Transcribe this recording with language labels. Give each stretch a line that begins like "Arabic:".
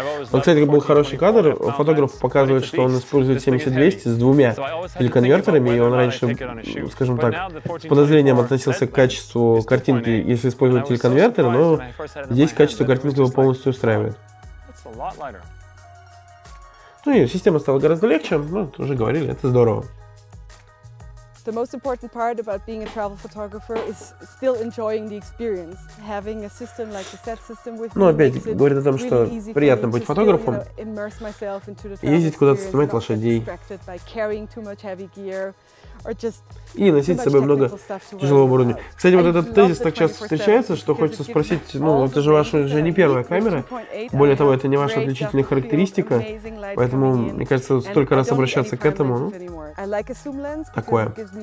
Russian: Кстати, был хороший кадр. Фотограф показывает, что он использует 70-200 с двумя телеконвертерами, и он раньше, скажем так, с подозрением относился к качеству картинки, если использовать телеконвертер, но здесь качество картинки его полностью устраивает. Ну и система стала гораздо легче, мы уже говорили, это здорово.
English: The most important part about being a travel photographer is still enjoying the experience. Having a system like the set system with me makes it really easy for me to still, you know, immerse myself into the travel experience, not get distracted by carrying too much heavy gear.
Russian: И носить с собой много тяжелого оборудования. Кстати, вот этот тезис так часто встречается, что хочется спросить, ну, это же ваша уже не первая камера, более того, это не ваша отличительная характеристика, поэтому, мне кажется, вот столько раз обращаться к этому, ну, такое.